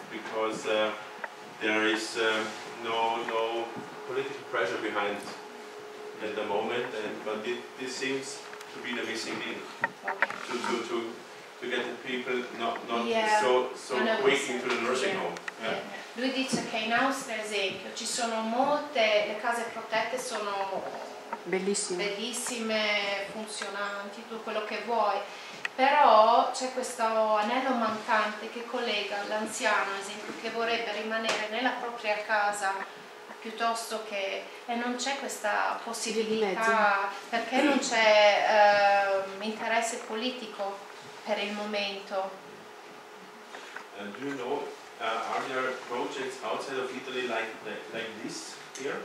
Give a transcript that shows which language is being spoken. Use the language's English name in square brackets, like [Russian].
[English] Because there is no political pressure behind at the moment, but this seems to be the missing link to get the people not so quick into the nursing home. [Italian] Lui dice che in Austria, ad esempio, ci sono molte, le case protette sono bellissime, funzionanti, tutto quello che vuoi, però c'è questo anello mancante che collega l'anziano, ad esempio, che vorrebbe rimanere nella propria casa piuttosto che, e non c'è questa possibilità perché non c'è interesse politico per il momento. [English] Do you know, are there projects outside of Italy like this here?